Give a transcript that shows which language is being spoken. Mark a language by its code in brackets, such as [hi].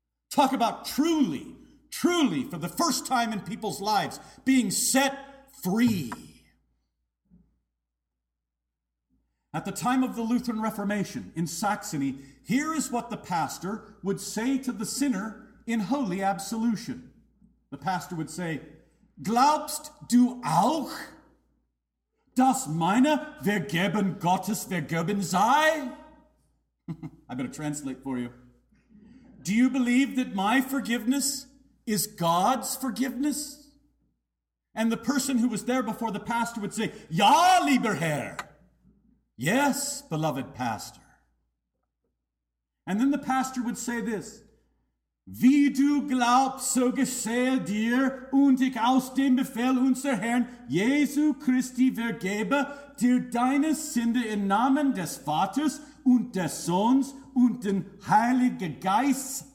[en] Talk about truly, truly, for the first time in people's lives, being set free. At the time of the Lutheran Reformation in Saxony, here is what the pastor would say to the sinner in holy absolution. The pastor would say, [de] Glaubst du auch, dass meine Vergeben Gottes vergeben sei? [en] I better translate for you. Do you believe that my forgiveness is God's forgiveness? And the person who was there before the pastor would say, [de] Ja, lieber Herr. [en] Yes, beloved pastor. And then the pastor would say this, [de] Wie du glaubst, so geschehe dir, und ich aus dem Befehl unser Herrn Jesu Christi vergebe dir deine Sünde im Namen des Vaters und des Sohns und den Heiligen Geist.